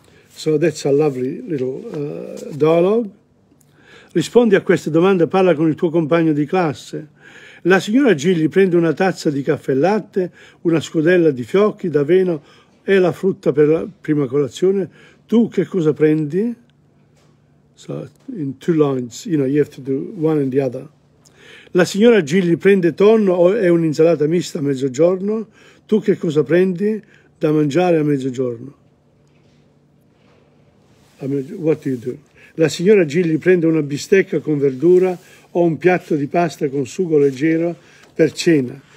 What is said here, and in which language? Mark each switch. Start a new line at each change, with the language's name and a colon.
English: So that's a lovely little dialogue.
Italian: Rispondi a queste domande, parla con il tuo compagno di classe. La signora Gigli prende una tazza di caffè e latte, una scodella di fiocchi d'avena e la frutta per la prima colazione. Tu che cosa prendi?
English: So in two lines, you know, you have to do one and the other.
Italian: La signora Gigli prende tonno o è un'insalata mista a mezzogiorno? Tu che cosa prendi da mangiare a mezzogiorno?
English: What do you do?
Italian: La signora Gigli prende una bistecca con verdura o un piatto di pasta con sugo leggero per cena.